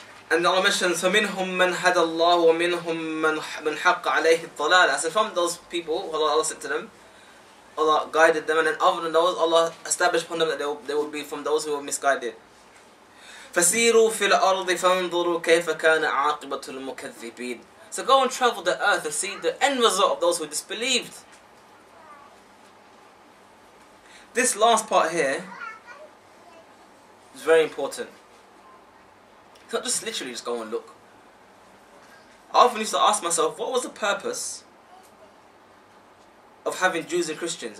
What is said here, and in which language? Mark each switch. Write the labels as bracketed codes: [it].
[en] And Allah mentions, [ar] فَمِنْهُمْ مَنْ هَدَى اللَّهُ وَمِنْهُم مَنْ حَقَّ عَلَيْهِ الضَّلَالَ. [en] So from those people, Allah said to them, Allah guided them, and then other than those, Allah established upon them that they will be from those who were misguided. [ar] فسيروا في الأرض فانظروا كيف كان عاقبة المكذبين. [en] So go and travel the earth and see the end result of those who disbelieved. This last part here is very important. It's not just literally just go and look. I often used to ask myself, what was the purpose of having Jews and Christians?